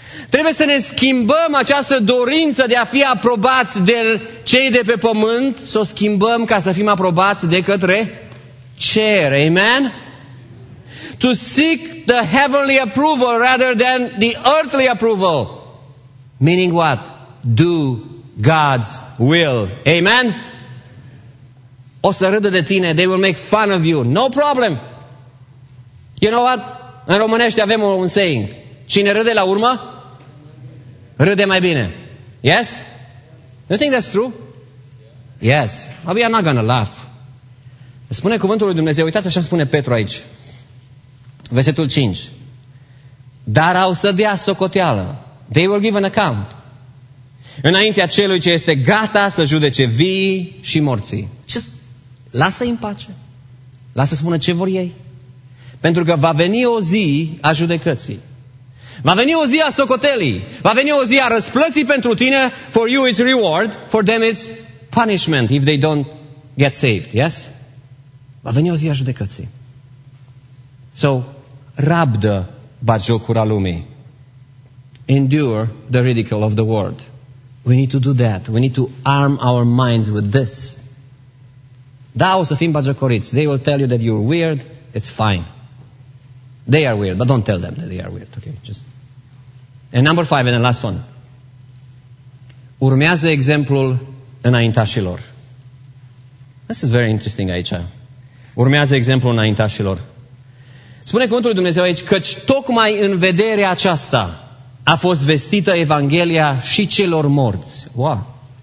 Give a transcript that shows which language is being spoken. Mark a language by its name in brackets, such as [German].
[Romanian] Trebuie să ne schimbăm această dorință de a fi aprobați de cei de pe pământ, să o schimbăm ca să fim aprobați de către cer. [English] Amen? To seek the heavenly approval rather than the earthly approval. Meaning what? Do God's will. Amen? [Romanian] O să râdă de tine. [English] They will make fun of you. No problem. You know what? [Romanian] În românești avem un saying. Cine râde la urmă, râde mai bine. [English] Yes? You think that's true? Yes. But we are not going to laugh. [Romanian] Spune cuvântul lui Dumnezeu. Uitați așa spune Petru aici. Versetul 5. Dar au să dea socoteală. [English] They will give an account. [Romanian] Înaintea celui ce este gata să judece vii și morții. Just lasă-i în pace. Lasă să spună ce vor ei. Pentru că va veni o zi a judecății. Va veni o zi a socotelii. Va veni o zi a răsplății pentru tine. [English] For you it's reward. For them it's punishment if they don't get saved. [Romanian] Yes? Va veni o zi a judecății. So, rabdă batjocura lumii. [English] Endure the ridicule of the world. We need to do that. We need to arm our minds with this. [Romanian] Da, o să fim batjocoriți. [English] They will tell you that you're weird. It's fine. They are weird, but don't tell them that they are weird. Okay, just. And number five, and the last one. [Romanian] Urmează exemplul înaintașilor. [English] This is very interesting [Romanian] aici. Urmează exemplul înaintașilor. Spune cuvântul lui Dumnezeu aici, căci tocmai în vederea aceasta a fost vestită Evanghelia și celor morți. Wow.